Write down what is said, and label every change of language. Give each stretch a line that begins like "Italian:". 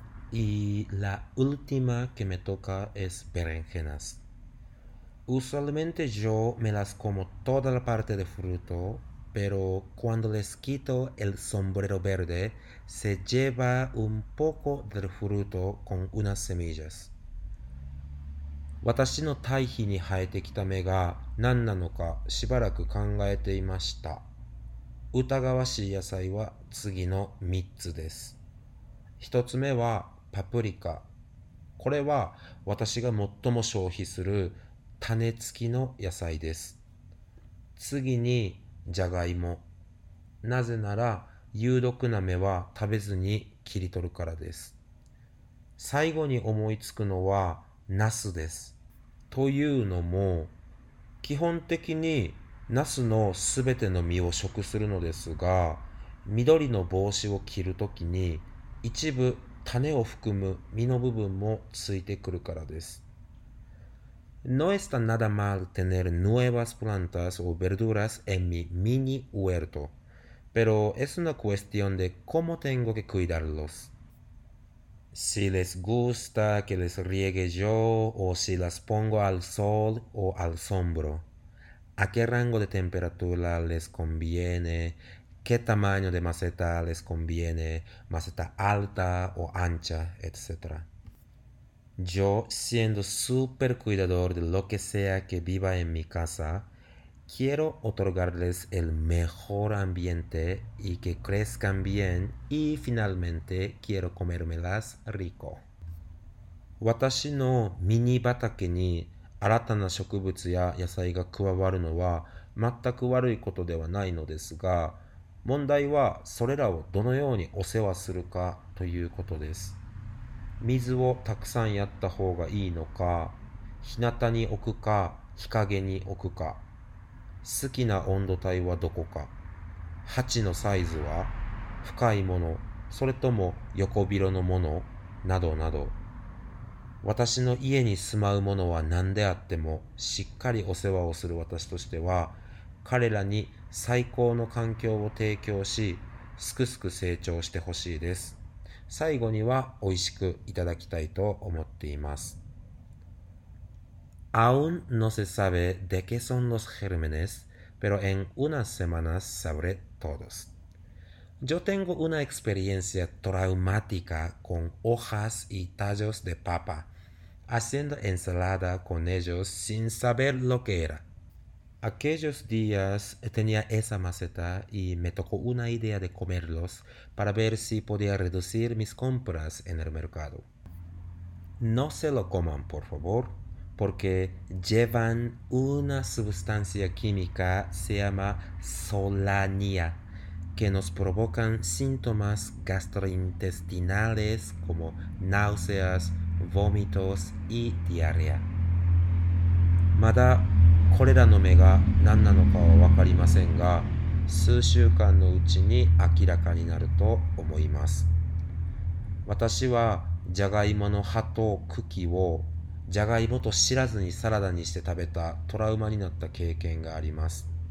Spanish: Y la última que me toca es berenjenas. Usualmente yo me las como toda la parte de fruto, pero cuando les quito el sombrero verde, se lleva un poco del fruto con unas semillas.
Japanese: 私の堆肥に生えてきた芽が何なのかしばらく考えていました。疑わしい野菜は次の3つです。 1つ目はパプリカ。これは私が最も消費する種付きの野菜です。次にじゃがいも。なぜなら有毒な芽は食べずに切り取るからです。最後に思いつくのはナスです。というのも、基本的にナスのすべての実を食するのですが、緑の帽子を切るときに一部種を含む実の部分もついてくるからです。
Spanish: No está nada mal tener nuevas plantas o verduras en mi mini huerto, pero es una cuestión de cómo tengo que cuidarlos. Si les gusta que les riegue yo o si las pongo al sol o al sombro. ¿A qué rango de temperatura les conviene? ¿Qué tamaño de maceta les conviene? ¿Maceta alta o ancha, etcétera? Yo, siendo súper cuidador de lo que sea que viva en mi casa, quiero otorgarles el mejor ambiente y que crezcan bien, y finalmente quiero comérmelas rico.
Japanese: 私のミニ畑に新たな植物や野菜が加わるのは全く悪いことではないのですが、問題はそれらをどのようにお世話するかということです。水をたくさんやった方がいいのか、日向に置くか、日陰に置くか、好きな温度帯はどこか、鉢のサイズは深いもの、それとも横広のもの、などなど、私の家に住まうものは何であってもしっかりお世話をする私としては、彼らに最高の環境を提供し、すくすく成長してほしいです。最後には美味しくいただきたいと思っています。
Spanish: Aún no se sabe de qué son los gérmenes, pero en unas semanas sabré todos. Yo tengo una experiencia traumática con hojas y tallos de papa, haciendo ensalada con ellos sin saber lo que era. Aquellos días tenía esa maceta y me tocó una idea de comerlos para ver si podía reducir mis compras en el mercado. No se lo coman, por favor, porque llevan una sustancia química, se llama solanía, que nos provocan síntomas gastrointestinales como náuseas, vómitos y diarrea.
Japanese: Madaこれらの芽が何なのかは分かりませんが、数週間のうちに明らかになると思います。私はジャガイモの葉と茎をジャガイモと知らずにサラダにして食べたトラウマになった経験があります。